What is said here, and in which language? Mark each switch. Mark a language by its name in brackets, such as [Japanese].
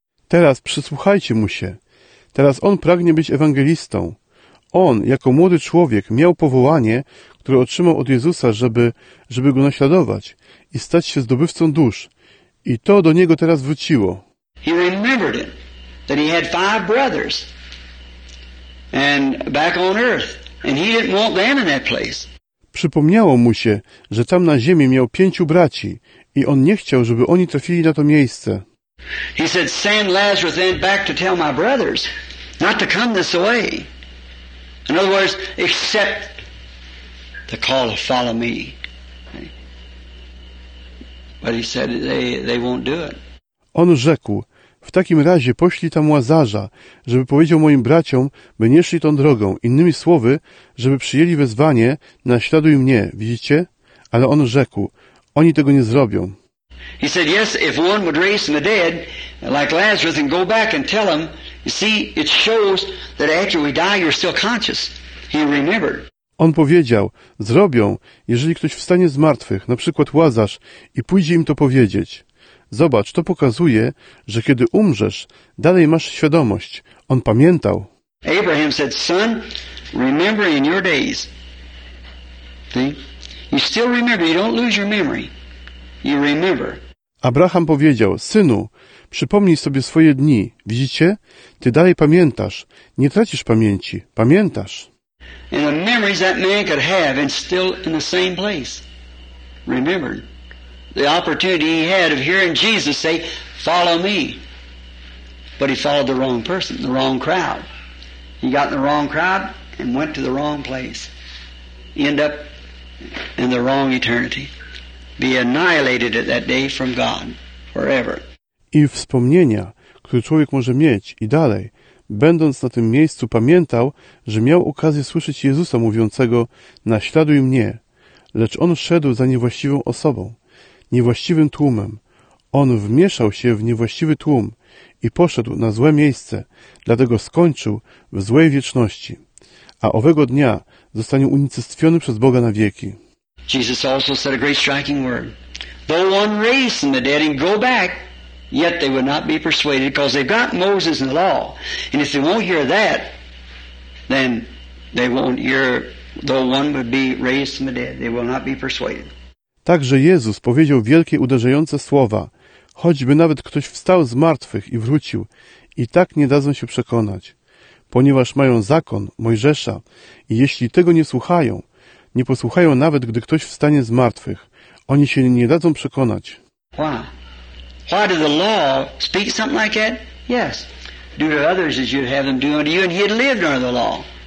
[Polish] Teraz przysłuchajcie mu się. Teraz on pragnie być ewangelistą. On, jako młody człowiek, miał powołanie, które otrzymał od Jezusa, żeby go naśladować i stać się zdobywcą dusz. I to do niego teraz wróciło. [English] He remembered it, that he had five brothers. And back on earth. And he didn't want them in that place. [Polish] Przypomniało mu się, że tam na ziemi miał pięciu braci i on nie chciał, żeby oni trafili na to miejsce. [English] He said, send Lazarus then back to tell my brothers not to come this way. In other words, accept the call to follow me. But he said, they won't do it. [Polish] On rzekł, w takim razie poślij tam Łazarza, żeby powiedział moim braciom, by nie szli tą drogą. Innymi słowy, żeby przyjęli wezwanie, naśladuj mnie, widzicie? Ale on rzekł, oni tego nie zrobią. [English] He said, yes, if one would raise from the dead, like Lazarus, and go back and tell him, you see, it shows that after we die, you're still conscious. He remembered. [Polish] On powiedział, zrobią, jeżeli ktoś wstanie z martwych, na przykład Łazarz, i pójdzie im to powiedzieć. Zobacz, to pokazuje, że kiedy umrzesz, dalej masz świadomość. On pamiętał. [English] Abraham said, son, remember in your days. See? You still remember, you don't lose your memory. You remember. [Polish] Abraham powiedział, synu, przypomnij sobie swoje dni. Widzicie? Ty dalej pamiętasz. Nie tracisz pamięci. Pamiętasz. [English] And the memories that man could have and still in the same place. Remember. The opportunity he had of hearing Jesus say, follow me. But he followed the wrong person, the wrong crowd. He got in the wrong crowd and went to the wrong place. End up in the wrong eternity. Be annihilated at that day from God forever. [Polish] I wspomnienia, które człowiek może mieć i dalej, będąc na tym miejscu, pamiętał, że miał okazję słyszeć Jezusa mówiącego, naśladuj mnie. Lecz on szedł za niewłaściwą osobą. Niewłaściwym tłumem. On wmieszał się w niewłaściwy tłum i poszedł na złe miejsce, dlatego skończył w złej wieczności, a owego dnia zostanie unicestwiony przez Boga na wieki. [English] Jesus also said a great striking word. Though one raised from the dead and go back, yet they would not be persuaded, because they've got Moses and the law. And if they won't hear that, then they won't hear, though one would be raised from the dead, they will not be persuaded. [Polish] Także Jezus powiedział wielkie, uderzające słowa. Choćby nawet ktoś wstał z martwych i wrócił, i tak nie dadzą się przekonać. Ponieważ mają zakon Mojżesza i jeśli tego nie słuchają, nie posłuchają nawet, gdy ktoś wstanie z martwych, oni się nie dadzą przekonać. [English] Why did the law speak something like that? Yes. Do to others as you'd have them do unto you, and he had lived under the law.